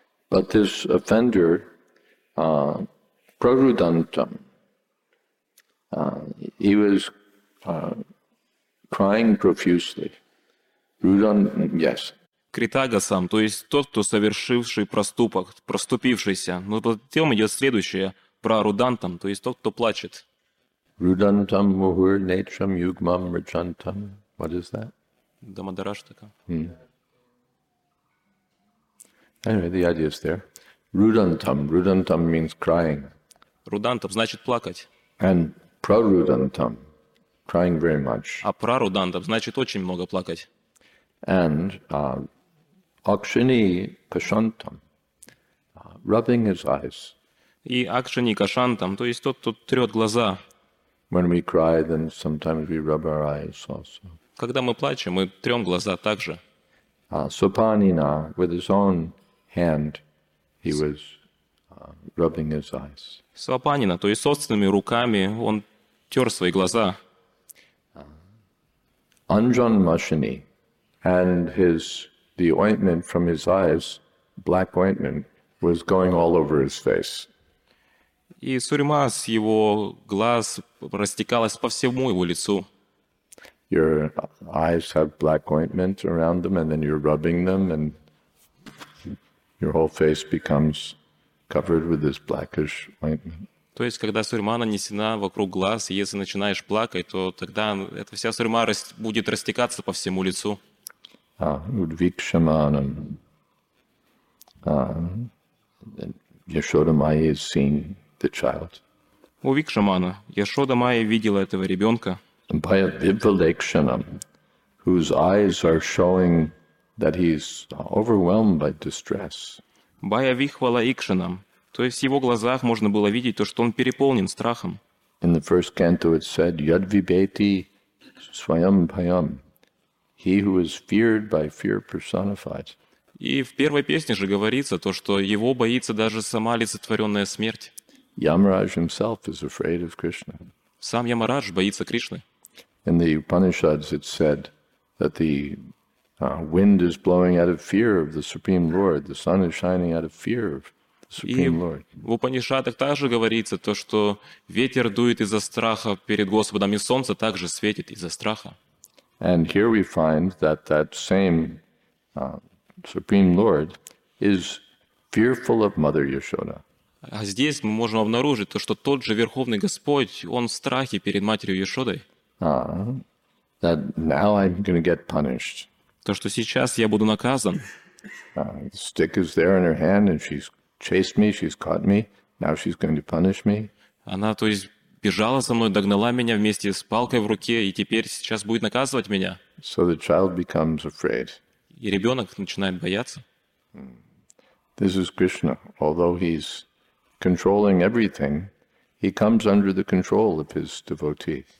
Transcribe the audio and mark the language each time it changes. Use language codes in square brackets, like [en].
[en] But this offender, Prarudantam, he was crying profusely. Rudan, yes. [ru] Kritagasam, то есть тот, кто совершивший проступок, проступившийся. Но потом идет следующее, Прарудантам, то есть тот, кто плачет. [sa] Rudantam muhur netram yugmam rajantam. [en] What is that? [sa] Damodarashtaka. [en] Anyway, the idea is there. Rudantam. Rudantam means crying. [ru] Rudantam значит плакать. [en] And prarudantam. Crying very much. [ru] А прарудантам значит очень много плакать. [sa] And akshani kashantam. [en] Rubbing his eyes. [ru] И [sa] akshani kashantam, [ru] то есть тот, кто трет глаза. [en] When we cry, then sometimes we rub our eyes also. [ru] Когда мы плачем, мы трем глаза также. [en] Supanina, with his own hand, he was rubbing his eyes. [ru] Supanina, то есть собственными руками, он тер свои глаза. [en] Anjan Mashini, and the ointment from his eyes, black ointment, was going all over his face. [ru] И сурьма с его глаз растекалась по всему его лицу. [en] Your eyes have black ointment around them, and then you're rubbing them, and your whole face becomes covered with this blackish ointment. [ru] То есть, когда сурьма нанесена вокруг глаз, и если начинаешь плакать, то тогда эта вся сурьма будет растекаться по всему лицу. [sa] Удвикшаманам. [en] Яшода Майя is seeing the child. [ru] У Викшамана Яшода Майя видела этого ребенка. [en] By a vivalekshanam, whose eyes are showing that he's overwhelmed by distress. [ru] By a vihvalekshanam, то есть в его глазах можно было видеть то, что он переполнен страхом. [en] In the first canto it said, [sa] Yad vibheti svayam bhayam, [en] he who is feared by fear personified. [ru] И в первой песне же говорится то, что его боится даже сама олицетворенная смерть. [en] Yamaraj himself is afraid of Krishna. [ru] Сам Ямарадж боится Кришны. [en] In the Upanishads it said that the wind is blowing out of fear of the Supreme Lord, the sun is shining out of fear of the Supreme Lord. [ru] В Упанишадах также говорится то, что ветер дует из-за страха перед Господом, и солнце также светит из-за страха. [en] And here we find that that same Supreme Lord is fearful of Mother Yashoda. [ru] А здесь мы можем обнаружить то, что тот же Верховный Господь, Он в страхе перед Матерью Яшодой. [en] That now I'm gonna get punished. [ru] То, что сейчас я буду наказан. [en] Stick is there in her hand, and she's chased me, she's caught me. Now she's going to punish me. [ru] Она, то есть, бежала со мной, догнала меня вместе с палкой в руке, и теперь сейчас будет наказывать меня. [en] So the child becomes afraid. [ru] И ребенок начинает бояться. [en] This is Krishna, although he's controlling everything, he comes under the control of his devotee.